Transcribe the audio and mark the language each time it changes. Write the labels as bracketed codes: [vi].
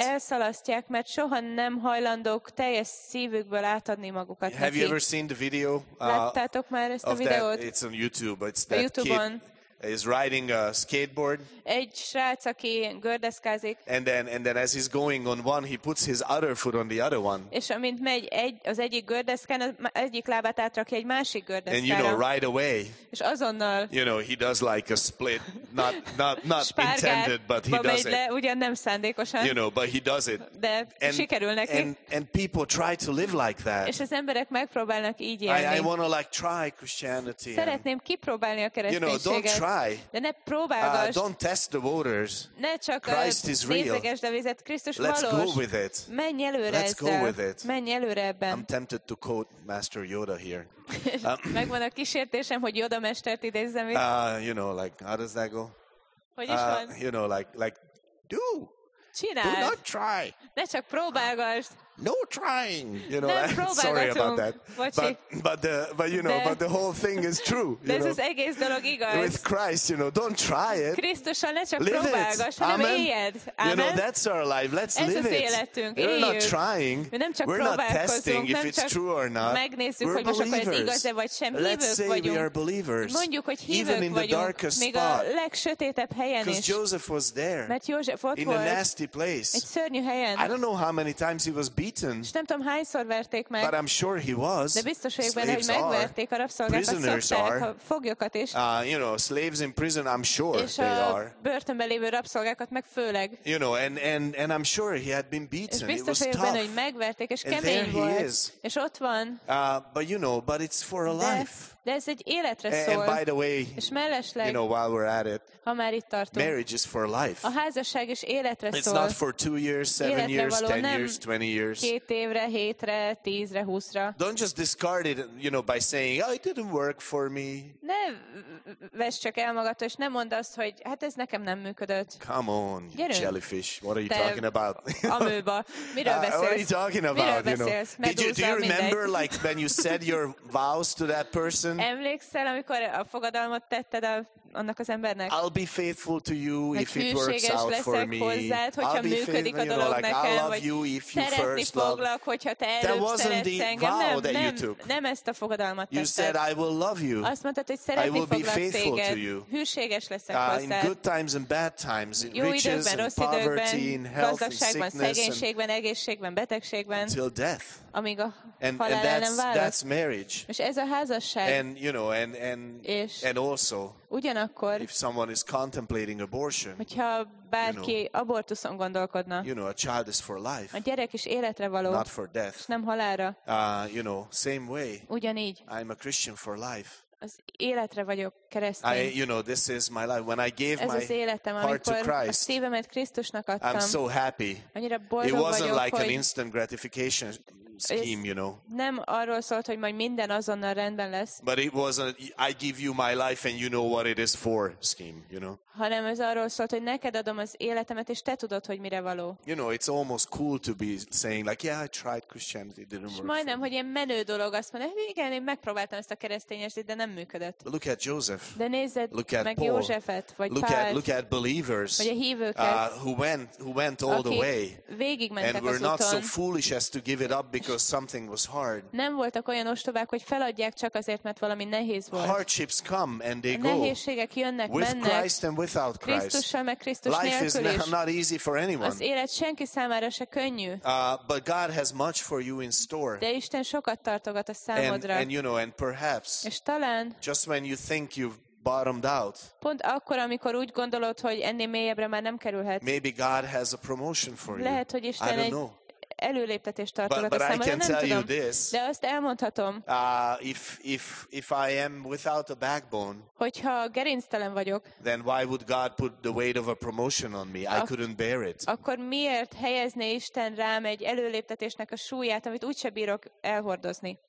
[hu] Elszalasztják, mert soha nem hajlandók teljes szívükből átadni magukat neki. [en] Have you ever seen the video? [hu] Láttátok már ezt a videót? [en] It's on YouTube. It's that kid is riding a skateboard. [hu] Egy srác, aki gördeszkázik. [en] And then as he's going on one, he puts his other foot on the other one. [hu] És amint megy az egyik gördeszkán, az egyik lábát átrakja egy másik gördeszkára. [en] And you know right away. [hu] És azonnal. [en] You know he does like a split. Not intended, but he does [hu] it. Ugyan nem szándékosan. [en] You know, but he does it. [hu] De sikerül neki. [en] And people try to live like that. [hu] És az emberek megpróbálnak így élni. [en] I want to like try Christianity. [hu] Szeretném kipróbálni a kereszténységet. [en] You know, don't try. [hu] De ne próbálgass. [en] Don't test the waters. [hu] Ne csak [en] Christ is real. [hu] Nézegesd a vizet, Krisztus valós. [en] Let's go with it. [hu] Menj előre [en] ezzel. Let's go with it. [hu] Menj előre ebben. [en] I'm tempted to quote Master Yoda here. [hu] Megvan a kísértésem, hogy Yoda mestert idézzem itt. [en] You know, like, how does that go? [hu] Hogy is van? [en] You know, like, do. [hu] Csináld. [en] Do not try. [hu] Ne csak próbálgass. [en] No trying. You know, [hu] nem próbálgatunk. [en] Sorry about that. But the whole thing is true. [hu] De ez az egész dolog igaz. [en] With Christ, you know, don't try it. [hu] Krisztussal ne csak próbálgass, hanem éljed. [en] Amen. You know, that's our life. Let's live it. [hu] Ez az életünk. [en] We're not trying. [hu] Mi nem csak [en] we're not testing if it's true or not. [hu] Megnézzük, [en] we're [hu] hogy most akkor ez igaz-e vagy sem. Hívők [en] let's say [hu] vagyunk. [en] We are believers. [hu] Mondjuk, hogy hívők [en] even in [hu] vagyunk, [en] the darkest [hu] még [en] spot. [hu] A legsötétebb helyen [en] is. Joseph was there. [hu] Mert József ott [en] in [hu] volt. [en] A nasty place. [hu] Egy szörnyű helyen. [en] I don't know how many times he was beaten. [hu] És nem tudom, hányszor verték meg. [en] But I'm sure he was. [hu] De biztos vagyok benne, hogy megverték a rabszolgákat, szokták a foglyokat is. [en] You know, slaves in prison, I'm sure [hu] és [en] they are. [hu] És a börtönben lévő rabszolgákat meg főleg. [en] You know, and I'm sure he had been beaten. [hu] És biztos vagyok benne, hogy megverték, és [en] and [hu] kemény [en] there he [hu] volt. [en] Is. [hu] És ott van. [en] But you know, but it's for a life. [hu] De ez egy életre szól. [en] And by the way, [hu] és mellesleg, [en] you know, while we're at it, [hu] ha már itt tartunk, [en] marriage is for life. [hu] A házasság is életre [en] it's [hu] szól. [en] Not for 2 years, 7 years, 10 years, 20 years. [hu] 2 évre, 7-re, 10-re, 20-ra. [en] Don't just discard it, you know, by saying, oh, it didn't work for me. [hu] Ne vesd csak el magad, és ne mondd azt, hogy hát ez nekem nem működött. [en] Come on, you jellyfish, what are you talking about? [hu] Amőba, miről beszélsz? [en] What are you talking about? [hu] Miről beszélsz? [en] Do you remember, like, when you said your vows to that person? [hu] Emlékszel, amikor a fogadalmat tetted annak az embernek? [en] I'll be faithful to you if it works out for me. [hu] Hozzád, hogyha [en] I'll be [hu] működik faithful, a dolog [en] you know, like, [hu] nekem, [en] I'll love you if you first [hu] foglak, hogyha te előbb [en] that wasn't [hu] szeretsz [en] the [hu] engem. [en] Vow [hu] nem, [en] that you [hu] nem, [en] took. [hu] Nem ezt a fogadalmat tetted. [en] You said, I will love you. [hu] Azt mondtad, hogy szeretni [en] I will be faithful [hu] téged. [en] To you. [hu] Hűséges leszek hozzád. [en] In good times and bad times, in [hu] jó [en] riches [hu] időben, [en] and poverty, in health, in sickness, [hu] szegénységben, egészségben, betegségben. [en] Until death. [hu] Amíg a [en] and, [hu] halál [en] and that's marriage. [hu] És ez a házasság. [en] And you know, and also, [hu] ugyanakkor, [en] if someone is contemplating abortion, [hu] hogyha bárki abortuszon gondolkodna, [en] you know, a child is for life, [hu] a gyerek is életre való, [en] not for death, [hu] nem halálra. [en] You know, same way, [hu] ugyanígy, [en] I'm a Christian for life. [hu] Az életre vagyok keresztény. [en] You know, this is my life. When I gave [hu] ez [en] my [hu] az életem, [en] heart to Christ, [hu] a szívemet Krisztusnak adtam. [en] I'm so happy. [hu] Annyira boldog vagyok. [en] It wasn't [hu] vagyok, [en] like an instant gratification scheme, you know. [hu] Nem arról szólt, hogy majd minden azonnal rendben lesz. [en] But it wasn't, I give you my life and you know what it is for scheme, you know. [hu] Hanem ez arról szólt, hogy neked adom az életemet, és te tudod, hogy mire való. [en] You know, it's almost cool to be saying, like, yeah, I tried Christianity, it didn't work. [hu] És majdnem, hogy ilyen menő dolog azt mondani, hogy igen, én megpróbáltam ezt a kereszténységet, de nem működött. [en] But look at Joseph. [hu] De nézed [en] look [hu] at meg [en] Paul. [hu] Józsefet, vagy [en] look [hu] Pált. [en] Look at believers. [hu] Vagy a hívőket. [en] Who went all the way. [hu] Végigmentek az úton. [en] And we're not so foolish as to give it up, because because something was hard. [hu] Nem voltak olyan ostobák, hogy feladják csak azért, mert valami nehéz volt. [en] Hardships come and they go. [hu] Nehézségek jönnek, mennek. [en] With Christ and without Christ. [hu] Krisztussal meg Krisztus nélkül is. [en] Life is not easy for anyone. [hu] Az élet senki számára se könnyű. [en] But God has much for you in store. [hu] De Isten sokat tartogat a számodra. [en] And you know, and perhaps. [hu] És talán. [en] Just when you think you've bottomed out. [hu] Pont akkor, amikor úgy gondolod, hogy ennél mélyebbre már nem kerülhet. [en] Maybe God has a promotion for you. [hu] Lehet, hogy Isten egy előléptetést tartogat a számodra, nem tudom. De azt elmondhatom. [en] If I am without a backbone. [hu] Hogyha gerinctelen vagyok. [en] Then why would God put the weight of a promotion on me? I couldn't bear it. [hu] Akkor miért helyezné Isten rám egy előléptetésnek a súlyát, amit úgyse bírok elhordozni?